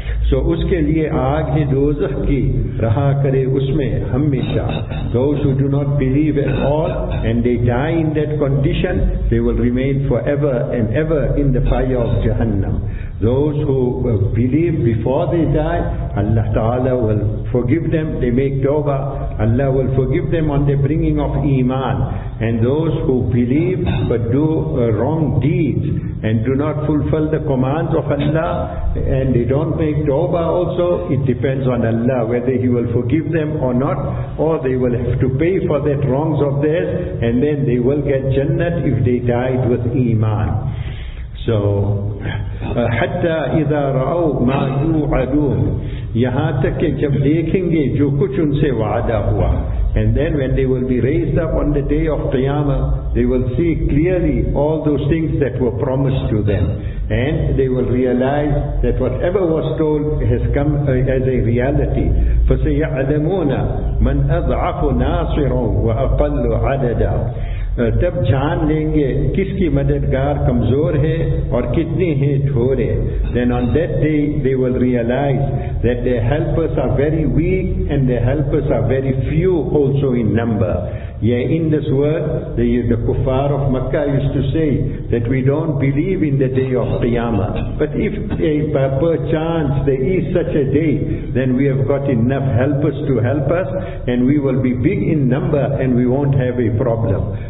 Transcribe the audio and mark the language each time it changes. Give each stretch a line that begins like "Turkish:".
Urdu: So اس کے لئے آگ ہے دوزخ کی, رہا کرے اس میں ہمیشہ.
English: Those who do not believe at all and they die in that condition, they will remain forever and ever in the fire of Jahannam. Those who believe before they die, Allah Ta'ala will forgive them, they make tawbah, Allah will forgive them on the bringing of iman. And those who believe but do wrong deeds and do not fulfill the commands of Allah and they don't make tawbah also, it depends on Allah whether He will forgive them or not, or they will have to pay for that wrongs of theirs, and then they will get Jannat if they died with iman.
Urdu: So,
Arabic: حَتَّى إِذَا رَأَوْ مَا يُوْعَدُونَ,
Urdu: یہاں تک کہ جب دیکھیں گے جو کچھ ان سے وعدہ ہوا.
English: And then when they will be raised up on the day of Qiyamah, they will see clearly all those things that were promised to them. And they will realize that whatever was told has come as a reality.
Arabic: فَسَيَعْلَمُونَ مَنْ أَضْعَفُ نَاصِرًا وَأَقَلُّ عَدَدًا,
Urdu: تب جان لیں گے کس کی مددگار کمزور ہے اور کتنی ہیں تھوڑے.
English: Then on that day they will realize that their helpers are very weak and their helpers are very few also in number. Yeah, in this word, the kuffar of Makkah used to say that we don't believe in the day of Qiyamah. But if perchance there is such a day, then we have got enough helpers to help us and we will be big in number and we won't have a problem.